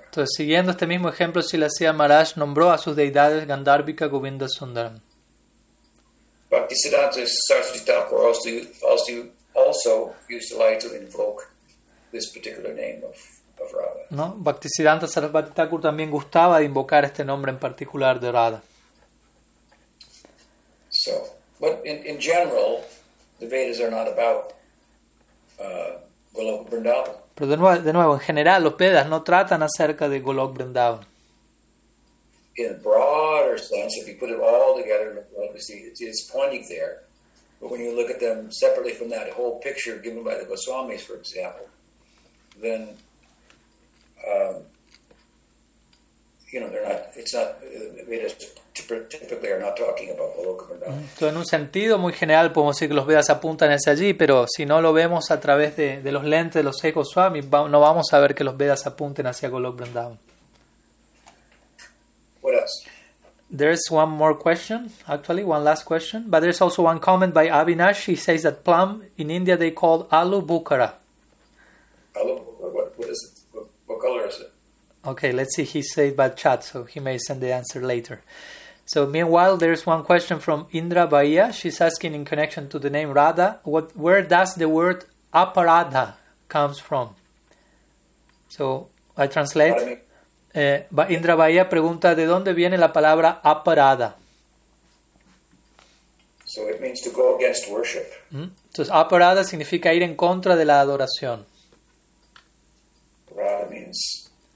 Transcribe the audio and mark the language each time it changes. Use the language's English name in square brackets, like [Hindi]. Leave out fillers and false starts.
[Spanish] Entonces, siguiendo este mismo ejemplo, Silasia Maharaj nombró a sus deidades Gandharvika Govinda Sundaram. [English] Bhaktisiddhanta Saraswati Thakur also used the light to invoke this particular name of Radha. [Spanish] No, Bhaktisiddhanta Saraswati Thakur también gustaba de invocar este nombre en particular de Radha. [English] So, but in general, the Vedas are not about Golok Vrindavan. [Spanish] Pero de nuevo, en general, los Vedas no tratan acerca de Golok Vrindavan. [English] In a broader sense, if you put it all together, obviously it's pointing there. But when you look at them separately from that whole picture given by the Goswamis, for example, then typically are not talking about Goloka Vrindavan. [Spanish] Entonces, en un sentido muy general, podemos decir que los Vedas apuntan hacia allí, pero si no lo vemos a través de los lentes de los seis Goswamis, no vamos a ver que los Vedas apunten hacia Goloka Vrindavan. [English] There's one more question, actually, one last question. But there's also one comment by Avinash. He says that plum, in India, they call Alu Bukhara. Alu Bukhara, what is it? What color is it? Okay, let's see. He said by chat, so he may send the answer later. So meanwhile, there's one question from Indra Bahia. She's asking in connection to the name Radha, where does the word Aparadha comes from? So I translate... [Spanish] Indra Bahía pregunta, ¿de dónde viene la palabra aparada? [English] So it means to go against worship. [Spanish] Entonces, aparada significa ir en contra de la adoración. [English] Aparada means...